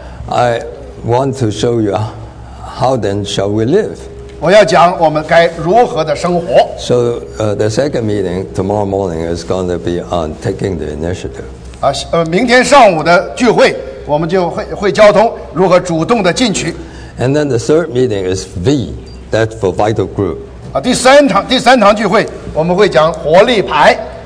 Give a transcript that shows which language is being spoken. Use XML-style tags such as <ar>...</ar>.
<en>I want to show you how then shall we live.</en> <zh>我要讲我们该如何的生活。</zh> <en>So the second meeting tomorrow morning is going to be on taking the initiative.</en> <zh>明天上午的聚会我们就会交通如何主动的进取。</zh> <en>And then the third meeting is V, that's for vital group.</en> <zh>第三堂聚会我们会讲活力牌。</zh>